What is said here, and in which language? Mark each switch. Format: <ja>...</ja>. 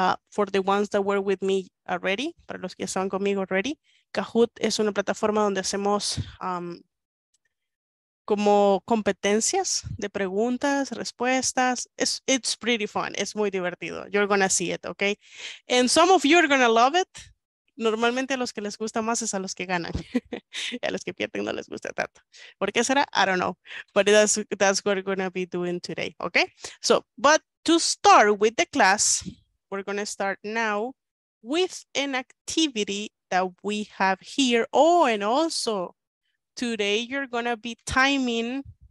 <en>For the ones that were with me already,</en> <es>para los que estaban conmigo already, Kahoot es una plataforma donde hacemos como competencias de preguntas, respuestas.</es> <en>It's pretty fun.</en> <es>Es muy divertido.</es> <en>You're gonna see it, okay? And some of you are gonna love it.</en> <es>Normalmente a los que les gusta más es a los que ganan. A los que pierden no les gusta tanto. ¿Por qué será?</es> <en>I don't know. But that's what we're gonna be doing today, okay? So, but to start with the class, we're gonna start now with an activity that we have here. Oh, and also, today you're gonna be timing.</en>